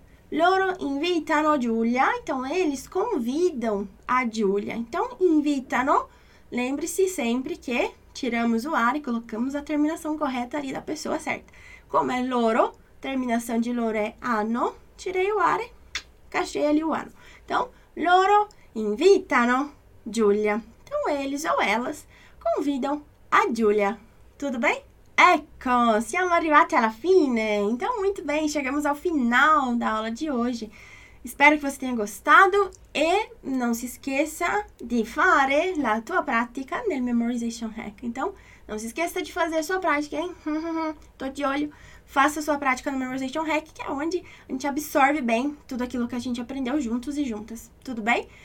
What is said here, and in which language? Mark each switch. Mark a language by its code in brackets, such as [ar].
[it] Loro invitano Giulia, [pt] então eles convidam a Giulia. Então, invitano, lembre-se sempre que tiramos o ar e colocamos a terminação correta ali da pessoa certa. Como é loro, terminação de loro é ano, tirei o ar, encaixei ali o ano. [it] Então, loro invitano Giulia. [pt] Então, eles ou elas convidam a Giulia. Tudo bem? [it] Ecco, siamo arrivati alla fine. [pt] Então, muito bem, chegamos ao final da aula de hoje. Espero que você tenha gostado e não se esqueça de [it] fare la tua pratica nel [pt] Memorization Hack. Então, não se esqueça de fazer a sua prática, hein? Tô de olho. Faça a sua prática no Memorization Hack, que é onde a gente absorve bem tudo aquilo que a gente aprendeu juntos e juntas. Tudo bem?